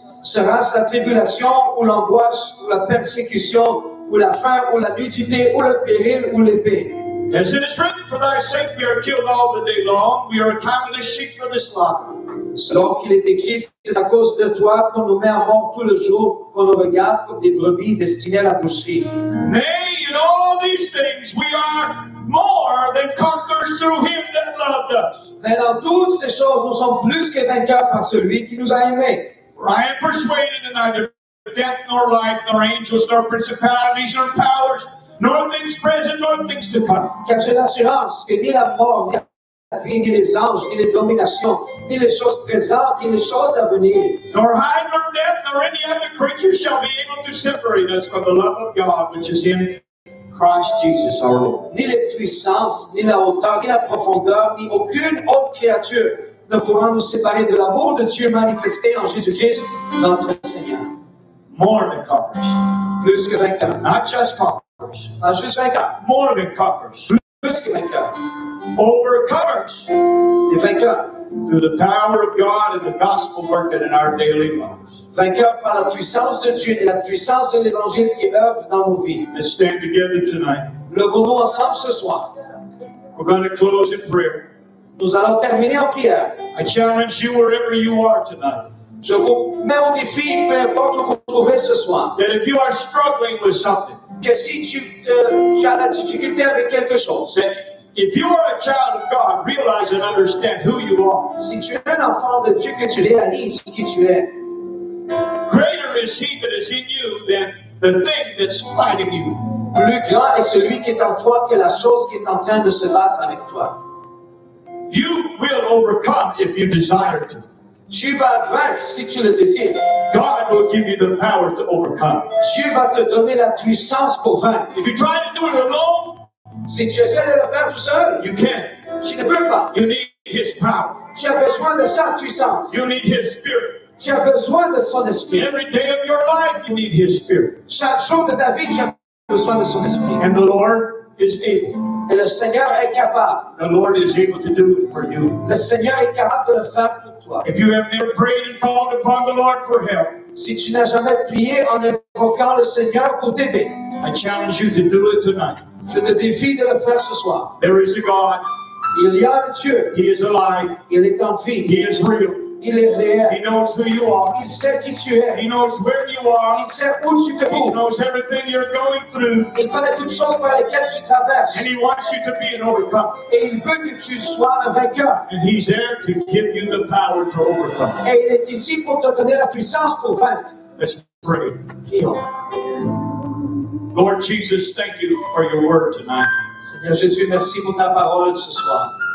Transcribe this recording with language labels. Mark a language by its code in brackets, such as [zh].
[fr] Sera-ce la tribulation ou l'angoisse ou la persécution ou la faim ou la nudité ou le péril ou l'épée? [en] As it is written, for thy sake we are killed all the day long, we are accounted as sheep for the slaughter. [fr] Selon qu'il est écrit, c'est à cause de toi qu'on nous met à mort tout le jour, qu'on nous regarde comme des brebis destinées à la boucherie. [en] Nay, in all these things we are more than conquerors through him that loved us. [fr] Mais dans toutes ces choses, nous sommes plus que vainqueurs par celui qui nous a aimés. [en] For I am persuaded that neither death nor life, nor angels, nor principalities, nor powers, nor things present, nor things to come. [fr] Car j'ai l'assurance que ni la mort, ni la vie, ni les anges, ni les dominations, ni les choses présentes, ni les choses à venir. [en] Nor height, nor depth, nor any other creature shall be able to separate us from the love of God, which is in Christ Jesus our Lord. [fr] Ni les puissances, ni la hauteur, ni la profondeur, ni aucune autre créature ne pourra nous séparer de l'amour de Dieu manifesté en Jésus-Christ, notre Seigneur. [en] More than conquerors. [fr] Plus que vainqueurs. [en] Not just conquerors. More than conquerors. Overcomers. Through the power of God and the gospel working in our daily lives. Let's stand together tonight. We're going to close in prayer. I challenge you wherever you are tonight. [fr] Je vous mets au défi, peu importe où vous trouvez ce soir. [en] That if you are struggling with something, [fr] que si tu as la difficulté avec quelque chose, [en] if you are a child of God, realize and understand who you are. [fr] Si tu es un enfant de Dieu, que tu réalises qui tu es. [en] Greater is he that is in you than the thing that's fighting you. [fr] Plus grand est celui qui est en toi que la chose qui est en train de se battre avec toi. [en] You will overcome if you desire to. [fr] Tu vas vaincre si tu le désires. [en] God will give you the power to overcome. [fr] Dieu va te donner la puissance pour vaincre. [en] If you try to do it alone, [fr] si tu essaies de le faire tout seul, [en] you can. [fr] Tu ne peux pas. [en] You need his power. [fr] Tu as besoin de sa puissance. [en] You need his spirit. [fr] Tu as besoin de son esprit. [en] Every day of your life, you need his spirit. [fr] Chaque jour de ta vie, tu as besoin de son esprit. [en] And the Lord is able. [fr] Et le Seigneur est capable. [en] The Lord is able to do it for you. [fr] Le Seigneur est capable de le faire pour toi. [en] If you have never prayed and called upon the Lord for help, [fr] si tu n'as jamais prié en invoquant le Seigneur pour t'aider, [en] I challenge you to do it tonight. [fr] Je te défie de le faire ce soir. [en] There is a God. [fr] Il y a un Dieu. [en] He is alive. [fr] Il est en vie. [en] He is real. [fr] Il est réel. [en] He knows who you are. [fr] Il sait qui tu es. [en] He knows where you are. [fr] Il sait où tu te trouves. [en] He knows everything you're going through. [fr] Il connaît toutes choses par lesquelles tu traverses. [en] And he wants you to be an overcomer. [fr] Et il veut que tu sois un vainqueur. [en] And he's there to give you the power to overcome. [fr] Et il est ici pour te donner la puissance pour vaincre. [en] Let's pray. Lord Jesus, thank you for your word tonight. [fr] Seigneur Jésus, merci pour ta parole ce soir.